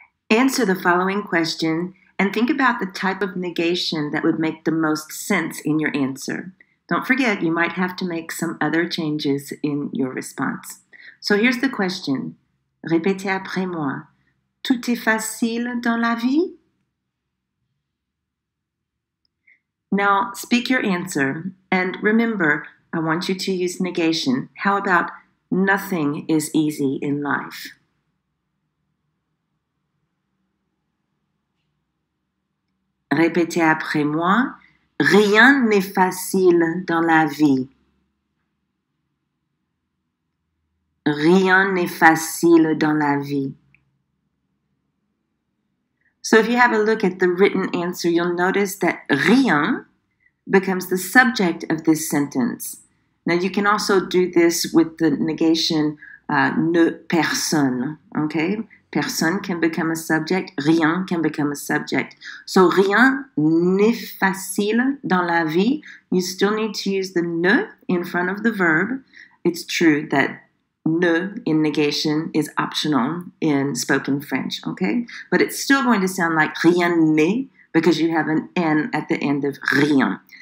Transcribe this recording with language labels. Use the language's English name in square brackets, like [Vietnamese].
[English] Answer the following question and think about the type of negation that would make the most sense in your answer. Don't forget, you might have to make some other changes in your response. So here's the question. [French] Répétez après moi. Tout est facile dans la vie? [English] Now, speak your answer. And remember, I want you to use negation. How about nothing is easy in life? [French] Répétez après moi. Rien n'est facile dans la vie. Rien n'est facile dans la vie. [English] So if you have a look at the written answer, you'll notice that rien becomes the subject of this sentence. Now you can also do this with the negation ne personne, okay? Personne can become a subject, rien can become a subject. [French] So rien n'est facile dans la vie. [English] You still need to use the ne in front of the verb. It's true that ne in negation is optional in spoken French, okay? But it's still going to sound like [French] rien n'est [English] because you have an N at the end of rien.